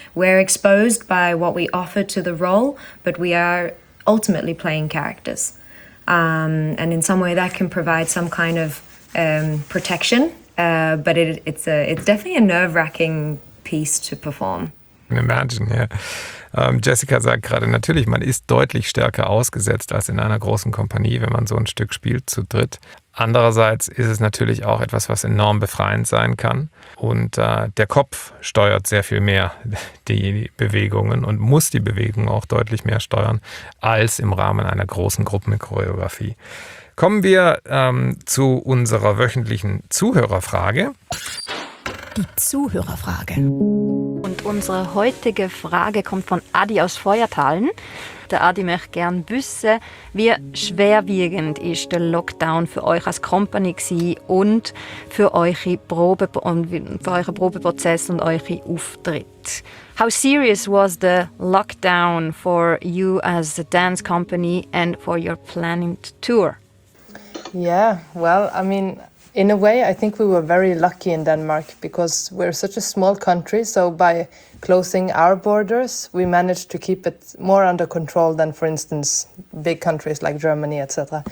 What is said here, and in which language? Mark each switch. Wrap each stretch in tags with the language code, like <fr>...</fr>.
<en>We're exposed by what we offer to the role, but we are ultimately playing characters. And in some way that can provide some kind of protection, but it's definitely a nerve-wracking piece to perform. Imagine, ja.</en> <de>Jessica sagt gerade, natürlich, man ist deutlich stärker ausgesetzt als in einer großen Kompanie, wenn man so ein Stück spielt zu dritt. Andererseits ist es natürlich auch etwas, was enorm befreiend sein kann. Und der Kopf steuert sehr viel mehr die Bewegungen und muss die Bewegung auch deutlich mehr steuern als im Rahmen einer großen Gruppenchoreografie. Kommen wir zu unserer wöchentlichen Zuhörerfrage. Die Zuhörerfrage. Und unsere heutige Frage kommt von Adi aus Feuertalen. Der Adi möchte gerne wissen, wie schwerwiegend ist der Lockdown für euch als Company gewesen und für eure Probe und für euren Probeprozess und eure Auftritte.</de> <en>How serious was the lockdown for you as a dance company and for your planned tour? Yeah, well, I mean, in a way, I think we were very lucky in Denmark because we're such a small country. So by closing our borders, we managed to keep it more under control than, for instance, big countries like Germany, etc.</en>